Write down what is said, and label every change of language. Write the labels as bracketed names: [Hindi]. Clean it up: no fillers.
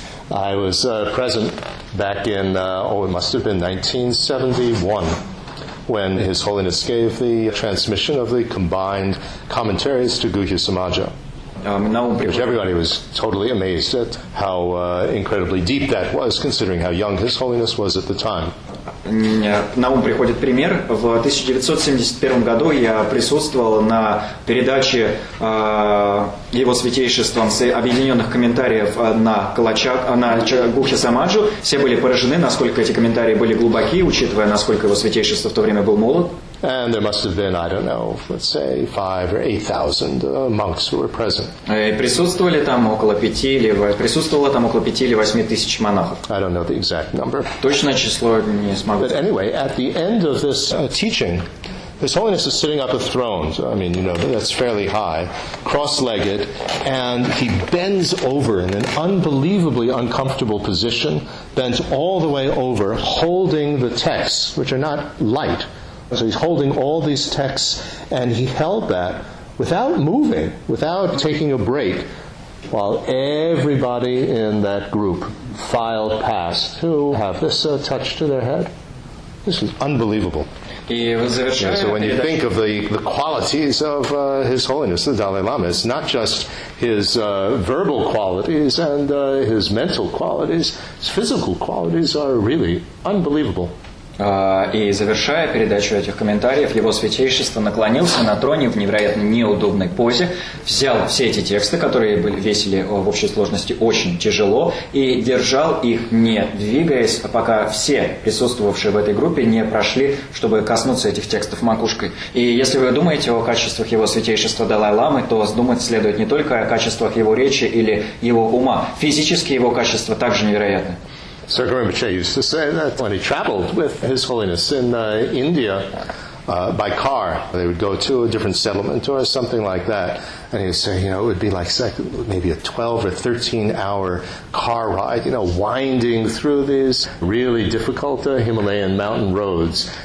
[English] I was present back in, it must have been 1971. When His Holiness gave the transmission of the combined commentaries to Guhya Samaja. Which everybody was totally amazed at how incredibly deep that was, considering how young His Holiness was at the time. [Russian] На ум приходит пример. В 1971 году я присутствовал на передаче его святейшеством с объединенных комментариев на Гухе Самаджу. Все были поражены, насколько эти комментарии были глубоки, учитывая, насколько его святейшество в то время был молод. [English] And there must have been, I don't know, let's say 5,000 or 8,000 monks who were present. [Russian] Присутствовало там около 5 или 8 тысяч монахов. [English] I don't know the exact number. [Russian] Точное число не смогу. [English] But anyway, at the end of this teaching, His Holiness is sitting up a throne. So, that's fairly high, cross-legged, and he bends over in an unbelievably uncomfortable position, bent all the way over, holding the texts, which are not light. So he's holding all these texts, and he held that without moving, without taking a break, while everybody in that group filed past to have this touch to their head. This is unbelievable. So when you think of the qualities of His Holiness, the Dalai Lama, it's not just his verbal qualities and his mental qualities, his physical qualities are really unbelievable. [Russian] И завершая передачу этих комментариев, его святейшество наклонился на троне в невероятно неудобной позе, взял все эти тексты, которые весили в общей сложности очень тяжело, и держал их, не двигаясь, пока все присутствовавшие в этой группе не прошли, чтобы коснуться этих текстов макушкой. И если вы думаете о качествах его святейшества Далай-ламы, то думать следует не только о качествах его речи или его ума. Физически его качества также невероятны. [English] Sir Guru Rinpoche used to say that when he traveled with His Holiness in India, by car. They would go to a different settlement or something like that. And he would say, you know, it would be like maybe a 12 or 13 hour car ride, you know, winding through these really difficult Himalayan mountain roads.